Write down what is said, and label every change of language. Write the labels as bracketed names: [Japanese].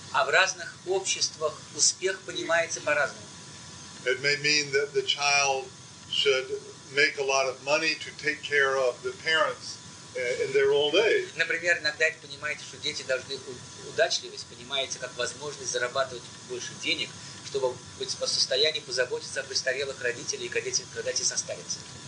[Russian] А в разных обществах успех понимается по-разному. [English] It may mean that the child should make a lot of money to take care of the parents in their old age. [Russian] Например, иногда это понимаете, что дети должны удачливость понимается как возможность зарабатывать больше денег, чтобы быть в состоянии позаботиться о престарелых родителях, когда дети состарятся.